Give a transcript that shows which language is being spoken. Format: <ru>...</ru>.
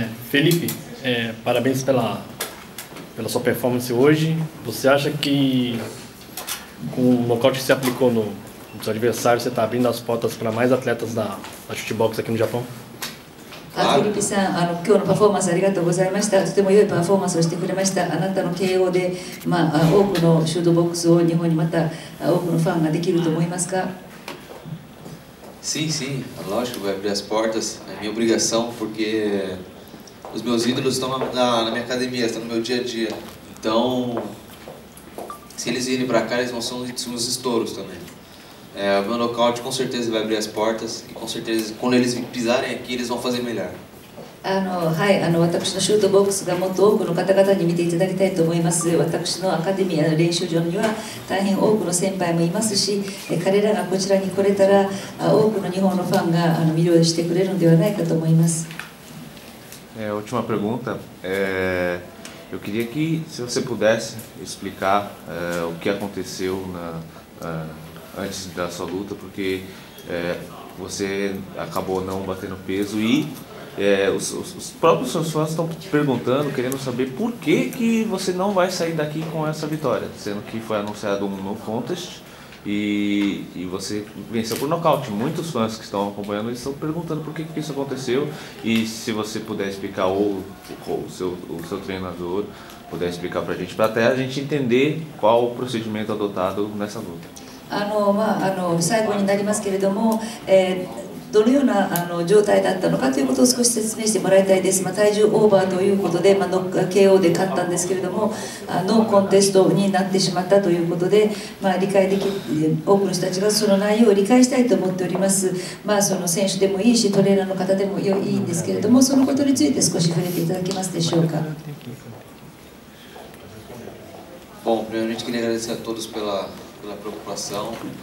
<pt>Felipe, parabéns pela sua performance hoje. Você acha que com o nocaute que você aplicou no seu adversário, você está abrindo as portas para mais atletas da Shootbox aqui no Japão? Claro.</pt> <ja>フィリピさん、あの、今日のパフォーマンスありがとうございました。とても良いパフォーマンスをしてくれました。あなたの慶応で、まあ、多くのシュートボックスを日本にまた多くのファンができると思いますか？</ja> <pt>Sim, sim. Lógico, vai abrir as portas. É minha obrigação, porque os meus ídolos estão na minha academia, estão no meu dia a dia. Então, se eles virem para cá, eles vão ser uns estouros também. É, o meu nocaute com certeza vai abrir as portas e com certeza quando eles pisarem aqui eles vão fazer melhor.</pt> <ja>はい、私のシュートボックスがもっと多くの方々に見ていただきたいと思います。私のアカデミアの練習場には大変多くの先輩もいますし、彼らがこちらに来れたら多くの日本のファンが魅了してくれるのではないかと思います。</ja> <pt>última pergunta、eu queria que se você pudesse explicar、o que aconteceu na、antes da sua luta, porque você acabou não batendo peso e os próprios seus fãs estão perguntando, querendo saber por que, que você não vai sair daqui com essa vitória, sendo que foi anunciado um novo contest e você venceu por nocaute. Muitos fãs que estão acompanhando estão perguntando por que, que isso aconteceu e se você puder explicar, ou o seu treinador puder explicar pra gente, pra até a gente entender qual o procedimento adotado nessa luta.</pt> <ja>まあ、最後になりますけれども、どのような状態だったのかということを少し説明してもらいたいです。まあ、体重オーバーということで、まあ、KO で勝ったんですけれども、ノーコンテストになってしまったということで、まあ、理解でき多くの人たちがその内容を理解したいと思っております。まあ、その選手でもいいし、トレーナーの方でもいいんですけれども、そのことについて少し触れていただけますでしょうか。</ja> <pt>Bom, primeiramente queria agradecer a todos pela preocupação.</pt>